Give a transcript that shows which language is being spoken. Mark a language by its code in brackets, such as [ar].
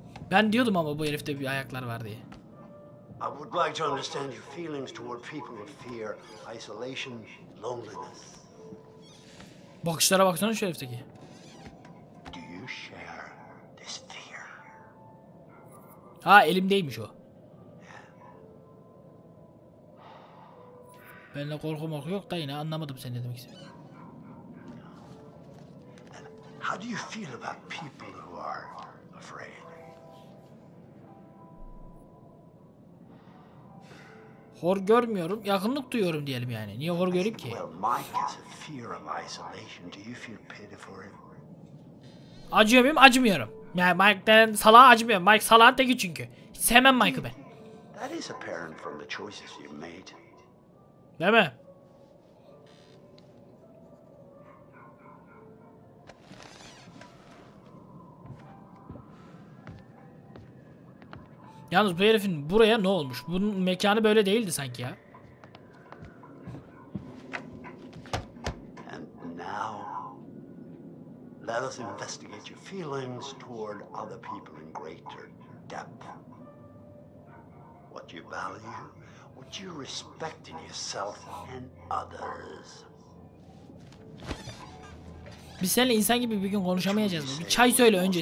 [tr] Ben diyordum ama bu herifte bir ayaklar var diye. [en] I would like to understand your feelings toward people of fear, isolation, loneliness. [tr] Bakışlara baksana şu herifteki. [en] Do you share this fear? [tr] Ha elimdeymiş o. Benle korku mu yok da yine anlamadım sen ne demek istediğini. [en] How do you feel about people who are afraid? [tr] Hor görmüyorum, yakınlık duyuyorum diyelim yani. Niye hor göreyim ki? [en] Well, Mike has a fear of isolation. Do you feel pity for him? [tr] Acıyor muyum? Acımıyorum. Yani Mike'den salağa acımıyorum. Mike salağın teki çünkü. Sevmem Mike'ı ben. [en] That is apparent from the choices you made. [tr] Değil mi? Yalnız bu herifin buraya ne olmuş? Bunun mekanı böyle değildi sanki ya. [en] And now, let us investigate your feelings toward other people in greater depth. What you value, what you respect in yourself and others. [tr] Biz seninle insan gibi bir gün konuşamayacağız mı? Bir çay söyle önce.